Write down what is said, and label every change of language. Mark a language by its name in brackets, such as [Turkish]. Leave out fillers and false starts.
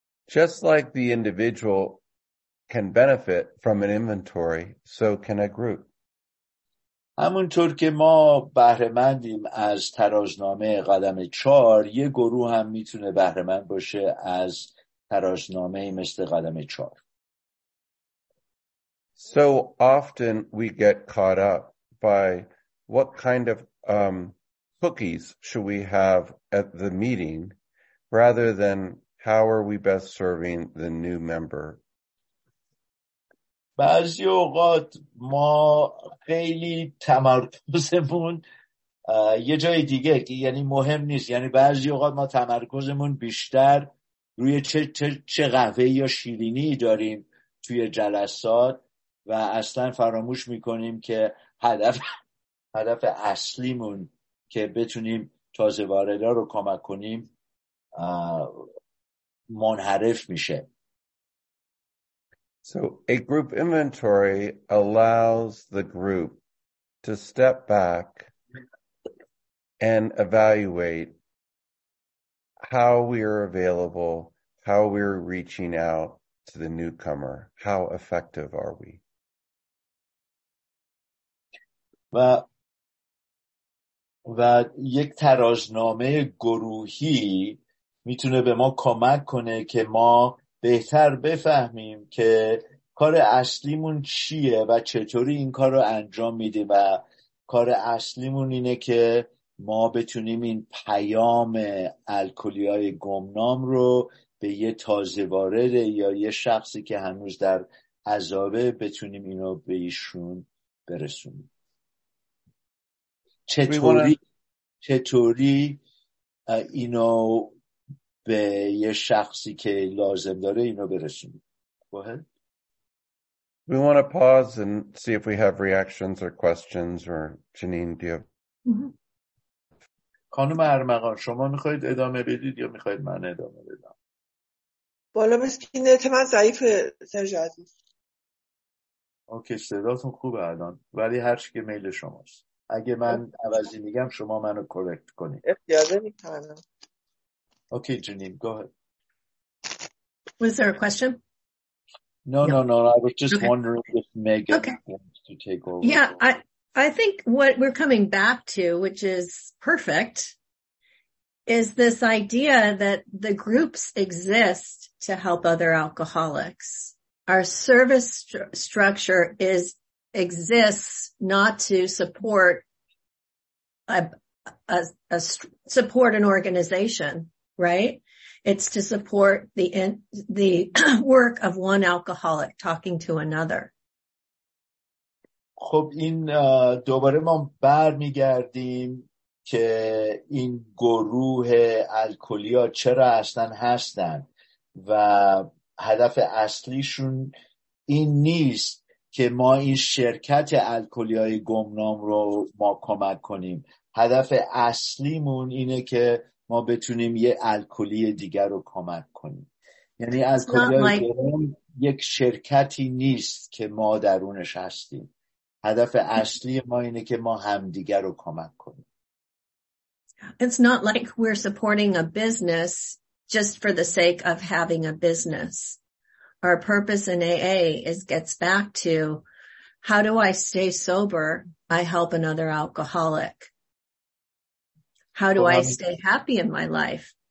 [English] Just like the individual can benefit from an inventory, so can a group. [Persian] همونطور که ما بهره‌مندیم از ترازنامه قدم 4 یک گروه هم می تونه بهره‌مند باشه از ترازنامه مثل قدم چهار. [English] So often we get caught up by what kind of cookies should we have at the meeting rather than how are we best serving the new member. [Persian] بعضی اوقات ما خیلی تمرکزمون یه جای دیگه، یعنی مهم نیست، یعنی بعضی اوقات ما تمرکزمون بیشتر روی چه قهوه یا شیرینی داریم توی جلسات و اصلا فراموش میکنیم که هدف اصلیمون که بتونیم تازه واردا رو کمک کنیم منحرف میشه. [English] So a group inventory allows the group to step back and evaluate how we are available, how we are reaching out to the newcomer, how effective are we. [Persian] و یک ترازنامه گروهی میتونه به ما کمک کنه که ما بهتر بفهمیم که کار اصلیمون چیه و چطوری این کار رو انجام میده و کار اصلیمون اینه که ما بتونیم این پیام الکلی‌های گمنام رو به یه تازه وارد یا یه شخصی که هنوز در عذابه بتونیم اینو به ایشون برسونیم. چطوری اینو به یه شخصی که لازم داره اینو برسونیم. [English] We want to pause and see if we have reactions or questions or Janine, do you have... [Persian] خانم ارمغان شما میخواید ادامه بدید یا میخواید من ادامه بدم؟ بالا مسکینه تمام ضعیف سرژ عزیز. اوکی صداتون خوبه الان، ولی هر چی که میل شماست. اگه من عوضی میگم شما منو کرکت کنید. اجازه میکنم. [English] Okay جنین گو اهد. Was there a question? No. I was just wondering if Megan wants to take over. Yeah, I think what we're coming back to, which is perfect, is this idea that the groups exist to help other alcoholics. Our service structure exists not to support support an organization, right? It's to support the work of one alcoholic talking to another. [Persian] خب این دوباره ما برمیگردیم که این گروه الکلیا چرا اصلا هستن و هدف اصلیشون این نیست که ما این شرکت الکلیای گمنام رو ما کمک کنیم. هدف اصلیمون اینه که ما بتونیم یه الکلی دیگر رو کمک کنیم. یعنی الکلیای گمنام یک شرکتی نیست که ما درونش هستیم. هدف اصلی ما اینه که ما همدیگر رو کمک کنیم. [English] It's not like we're supporting a business just for the sake of having a business. Our purpose in AA gets back to how do I stay sober? I help another alcoholic. How do I stay happy in my life?